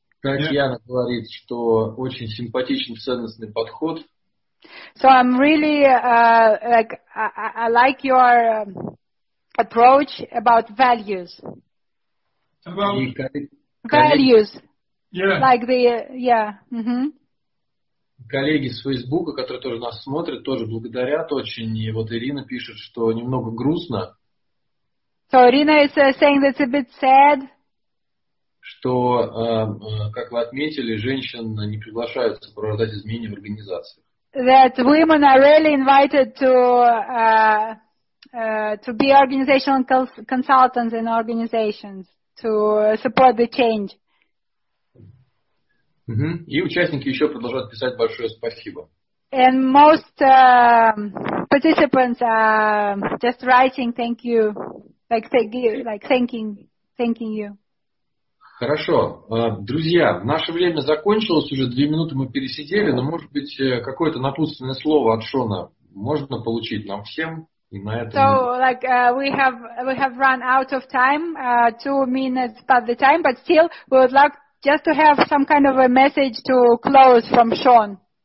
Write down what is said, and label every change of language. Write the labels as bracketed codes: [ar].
[ru] Как Яна говорит, что очень симпатичен ценностный подход. [en] So I'm really I like your approach about values. About values. Yeah. Like the, yeah. Mm-hmm. [ru] Коллеги с Фейсбука, которые тоже нас смотрят, тоже благодарят очень. И вот Ирина пишет, что немного грустно. [en] So Irina is saying that's a bit sad. [ru] Что, как вы отметили, женщин не приглашают сопровождать изменения в организациях. [en] That women are rarely invited to be organizational consultants in organizations to support the change. Mm-hmm. [ru] И участники еще продолжают писать большое спасибо. [en] And most participants are just writing thank you, thanking you. [ru] Хорошо. Друзья, наше время закончилось, уже 2 минуты мы пересидели, но, может быть, какое-то напутственное слово от Шона можно получить нам всем и на этом. [en] So, like, we have run out of time, 2 minutes past the time, but still, we would like just to have some kind of a message to close from Sean.